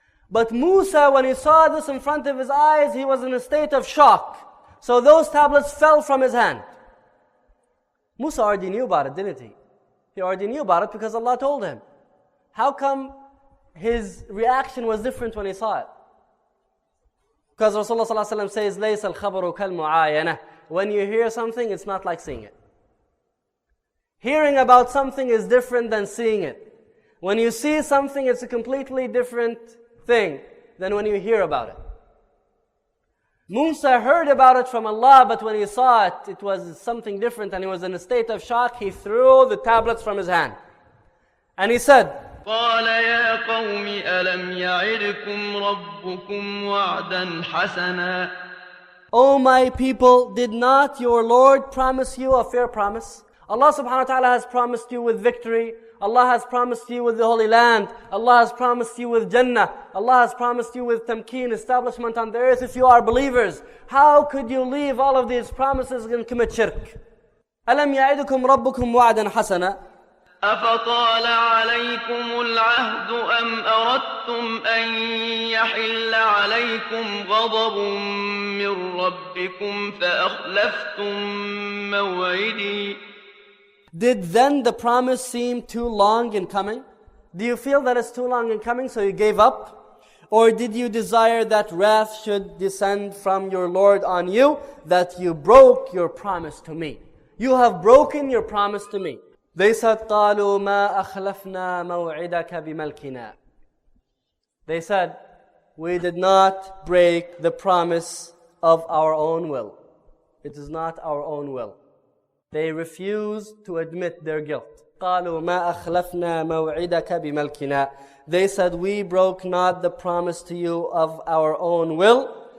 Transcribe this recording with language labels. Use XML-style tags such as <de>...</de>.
<en>But Musa, when he saw this in front of his eyes, he was in a state of shock. So those tablets fell from his hand. Musa already knew about it, didn't he? He already knew about it because Allah told him. How come his reaction was different when he saw it? Because Rasulullah ﷺ says,</en> <ar>لَيْسَ الْخَبَرُ كَالْمُعَايَنَةِ.</ar> <en>When you hear something, it's not like seeing it. Hearing about something is different than seeing it. When you see something, it's a completely different thing than when you hear about it. Musa heard about it from Allah, but when he saw it, it was something different and he was in a state of shock. He threw the tablets from his hand. And he said,</en> <ar>قال يا قوم ألم يعدكم ربكم وعدا حسنا.</ar> <en>Oh my people, did not your Lord promise you a fair promise? Allah subhanahu wa ta'ala has promised you with victory. Allah has promised you with the Holy Land. Allah has promised you with Jannah. Allah has promised you with tamkeen, establishment on the earth if you are believers. How could you leave all of these promises and commit shirk?</en> <ar>ألم يعدكم ربكم وعدا حسنا. أَفَطَالَ عَلَيْكُمُ الْعَهْدُ أَمْ أَرَدْتُمْ أَنْ يَحِلَّ عَلَيْكُمْ غَضَبٌ مِّنْ رَبِّكُمْ فَأَخْلَفْتُمْ مَوْعِدِي.</ar> <en>Did then the promise seem too long in coming? Do you feel that it's too long in coming, so you gave up? Or did you desire that wrath should descend from your Lord on you, that you broke your promise to me? You have broken your promise to me. They said,</en> <ar>قَالُوا مَا أَخْلَفْنَا مَوْعِدَكَ بِمَلْكِنَا.</ar> <en>They said, we did not break the promise of our own will. It is not our own will. They refused to admit their guilt.</en> <ar>قَالُوا مَا أَخْلَفْنَا مَوْعِدَكَ بِمَلْكِنَا.</ar> <en>They said, we broke not the promise to you of our own will.</en>